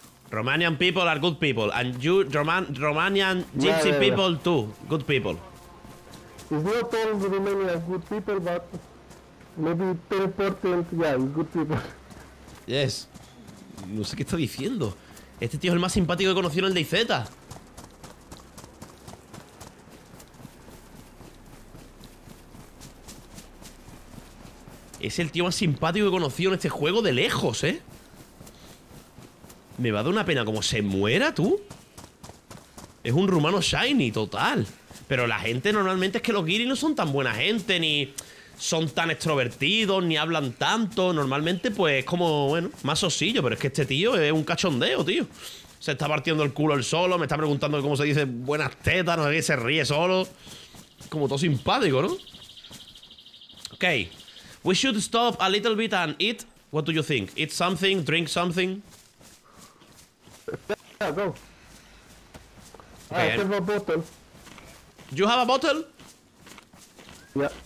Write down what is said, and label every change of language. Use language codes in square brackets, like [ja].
[en] Romanian people are good people, and you, Romanian gypsy people too, good people. It's not all the Romanian good people, but maybe 10%, yeah, good people. [es] Yes. No sé qué está diciendo. Este tío es el más simpático que he conocido en el DayZ. Es el tío más simpático que he conocido en este juego de lejos, ¿eh? Me va a dar una pena como se muera, tú. Es un rumano shiny, total. Pero la gente normalmente es que los giri no son tan buena gente, ni son tan extrovertidos, ni hablan tanto. Normalmente, pues, como, bueno, más osillo. Pero es que este tío es un cachondeo, tío. Se está partiendo el culo él solo, me está preguntando cómo se dice buenas tetas, no sé qué, se ríe solo. Como todo simpático, ¿no? Ok. [en] We should stop a little bit and eat. What do you think? Eat something, drink something. Yeah, go. Okay, I have a bottle. You have a bottle? Yeah.